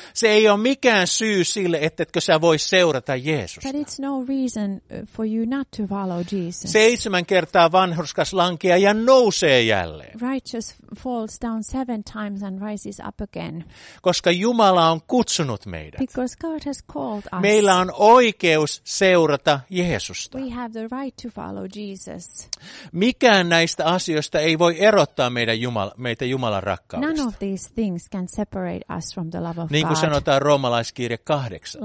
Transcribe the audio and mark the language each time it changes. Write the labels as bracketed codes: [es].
[fi] Se ei ole mikään syy sille, ettetkö sä vois seurata Jeesusta. [en] But it's no reason for you not to follow Jesus. [fi] 7 kertaa vanhurskas lankeaa ja nousee jälleen. [en] Righteous falls down 7 times and rises up again. [fi] Koska Jumala on kutsunut meidät. [en] Because God has called us. [fi] Meillä on oikeus seurata Jeesusta. [en] We have the right to follow Jesus. [fi] Mikään näistä asioista ei voi erottaa meitä Jumalan rakkaudesta. [en] None of these things can separate us from the love of God. [fi] Niin kuin sanotaan roomalaiskirje 8.